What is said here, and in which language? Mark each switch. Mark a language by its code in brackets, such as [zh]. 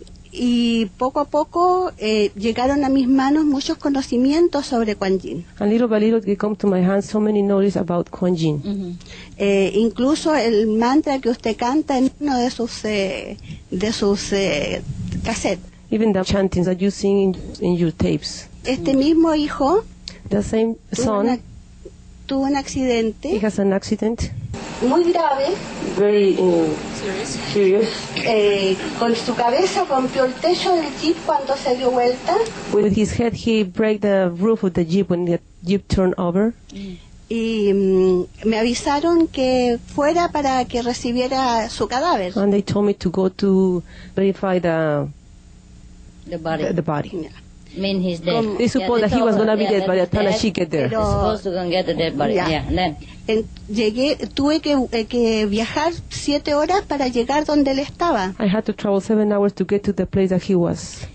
[es] Y poco a poco llegaron a mis manos muchos conocimientos sobre Kuan Yin. [en] A little by little, they come to my hands so many knowledge about Kuan Yin. [es] Incluso el mantra que usted canta en uno de sus cassettes. [en] Even the chantings that you sing in your tapes. [es] Este mismo hijo, [en] the same son, [es] tuvo un accidente. [en] He has an accident. [es] Muy grave. [en] Very serious. [es] Con su cabeza rompió el techo del jeep cuando se dio vuelta. [en] With his head, he broke the roof of the jeep when the jeep turned over. [es] Y me avisaron que fuera para que recibiera su cadáver. [en] And they told me to go to verify the body. The body. Yeah. Mean he's dead. They supposed that he was gonna be dead by the time she get there. Pero, supposed to go and get the dead body. [es] Llegué, tuve que viajar 7 horas para llegar donde él estaba. [en] I had to travel 7 hours to get to the place that he was.